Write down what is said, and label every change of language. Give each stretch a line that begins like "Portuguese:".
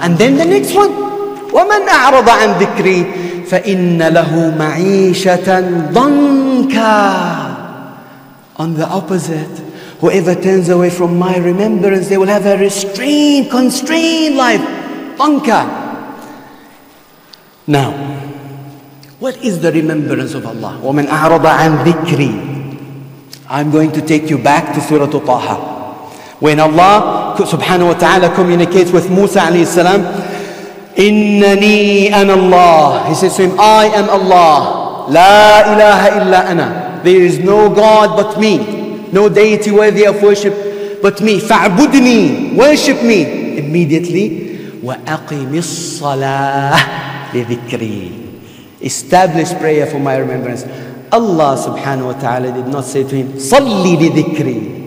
English: And then the next one,
Arabic: وَمَنْ أَعْرَضَ عَنْ ذِكْرِي فَإِنَّ لَهُ مَعِيشَةً ضَنْكَى.
English: On the opposite, whoever turns away from my remembrance, they will have a restrained, constrained life.
Arabic: ضَنْكَى.
English: Now, what is the remembrance of Allah?
Arabic: وَمَنْ أَعْرَضَ عَنْ ذِكْرِي.
English: I'm going to take you back to Surah Taha. When Allah subhanahu wa ta'ala communicates with Musa alayhi salam,
Arabic: إِنَّنِي أَنَا اللَّهِ.
English: He says to him, I am Allah.
Arabic: لَا إِلَهَ إِلَّا أَنَا.
English: There is no God but me. No deity worthy of worship but me.
Arabic: فَعْبُدْنِي.
English: Worship me. Immediately,
Arabic: وَأَقِمِ الصَّلَاةِ لِذِكْرِي.
English: Establish prayer for my remembrance. Allah subhanahu wa ta'ala did not say to him,
Arabic: صَلِّي لِذِكْرِي.